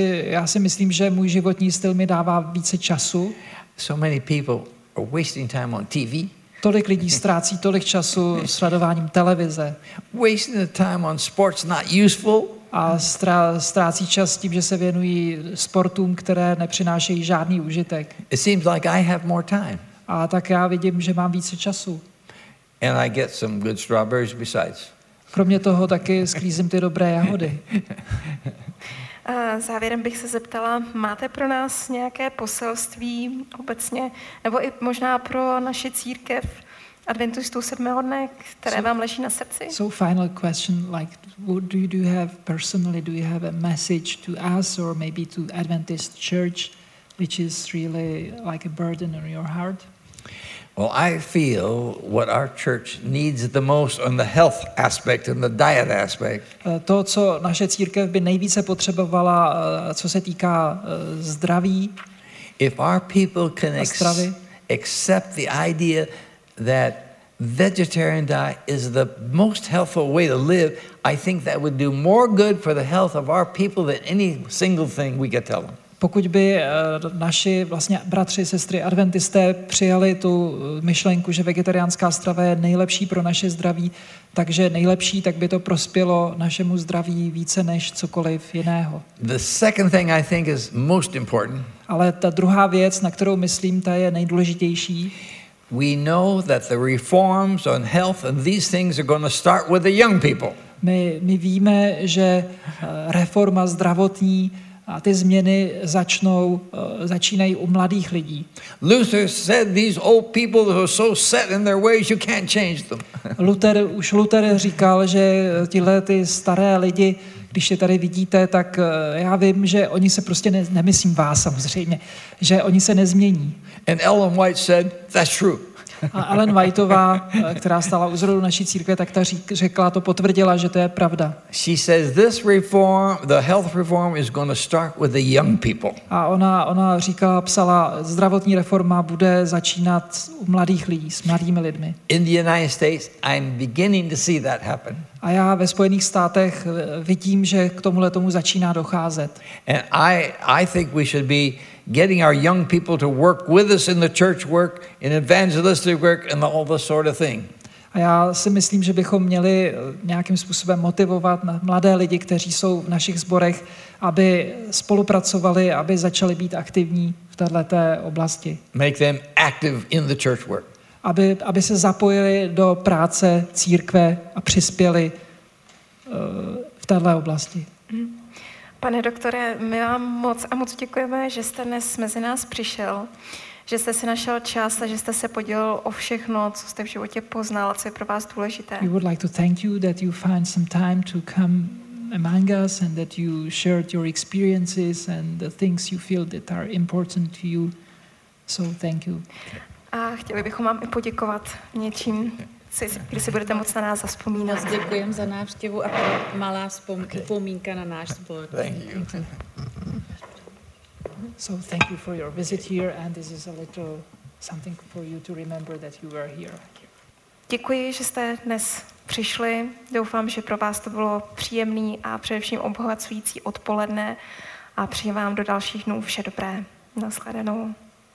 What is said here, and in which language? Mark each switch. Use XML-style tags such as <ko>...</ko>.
<cs>Já si myslím, že můj životní styl mi dává více času.</cs> <en>So many people are wasting time on TV.</en> <cs>Tolik lidí ztrácí tolik času sledováním televize.</cs> <en>Wasting the time on sports not useful.</en> <cs>A ztrácí čas tím, že se věnují sportům, které nepřinášejí žádný užitek.</cs> <en>It seems like I have more time.</en> <cs>A tak já vidím, že mám více času.</cs> <en>And I get some good strawberries besides.</en> <cs>Kromě toho taky sklízím ty dobré jahody. Závěrem bych se zeptala, máte pro nás nějaké poselství obecně, nebo i možná pro naši církev Adventistů sedmého dne, které vám leží na srdci?</cs> <en>So final question, like, what do you have personally, do you have a message to us or maybe to Adventist Church, which is really like a burden on your heart? Well, I feel what our church needs the most on the health aspect and the diet aspect.</en> <cs>To, co naše církev by nejvíce potřebovala, co se týká zdraví.</cs> <en>If our people can accept the idea that vegetarian diet is the most healthful way to live, I think that would do more good for the health of our people than any single thing we could tell them.</en> <cs>Pokud by naši vlastně bratři, sestry, adventisté přijali tu myšlenku, že vegetariánská strava je nejlepší pro naše zdraví, takže nejlepší, tak by to prospělo našemu zdraví více než cokoliv jiného.</cs> <en>The second thing I think is most important.</en> <cs>Ale ta druhá věc, na kterou myslím, ta je nejdůležitější.</cs> <en>We know that the reforms on health and these things are going to start with the young people.</en> <cs>My víme, že reforma zdravotní a ty změny začínají u mladých lidí.</cs> <en>Luther said these old people who are so set in their ways you can't change them.</en> <cs>Luther říkal, že tihle ty staré lidi, když je tady vidíte, tak já vím, že oni se prostě nemyslím vás samozřejmě, že oni se nezmění.</cs> <en>And Ellen White said that's true.</en> <cs>A Ellen Whiteová, která stala u zrodu naší církve, tak ta řekla, to potvrdila, že to je pravda.</cs> <en>She says this reform, the health reform is going to start with the young people.</en> <cs>A ona říkala, psala, zdravotní reforma bude začínat u mladých lidí, s mladými lidmi.</cs> <en>In the United States, I'm beginning to see that happen.</en> <cs>A já ve Spojených státech vidím, že k tomuhle tomu začíná docházet.</cs> <en>And I think we should be getting our young people to work with us in the church work, in evangelistic work, and all this sort of thing.</en> <cs>A já si myslím, že bychom měli nějakým způsobem motivovat mladé lidi, kteří jsou v našich sborech, aby spolupracovali, aby začali být aktivní v této oblasti.</cs> <en>Make them active in the church work.</en> <cs>Aby se zapojili do práce církve a přispěli v této oblasti. Pane doktore, my vám moc a moc děkujeme, že jste dnes mezi nás přišel, že jste si našel čas a že jste se podělil o všechno, co jste v životě poznal a co je pro vás důležité.</cs> <en>We would like to thank you that you find some time to come among us and that you shared your experiences and the things you feel that are important to you. So thank you.</en> <cs>A chtěli bychom vám i poděkovat něčím, když si budete moc na nás zazpomínat. Děkujeme za návštěvu a malá vzpomínka na náš sbor.</cs> <en>Thank you. So thank you for your visit here and this is a little something for you to remember that you were here.</en> <cs>Děkuji, že jste dnes přišli. Doufám, že pro vás to bylo příjemný a především obohacující odpoledne a přeji vám do dalších dnů vše dobré. Naschledanou.</cs>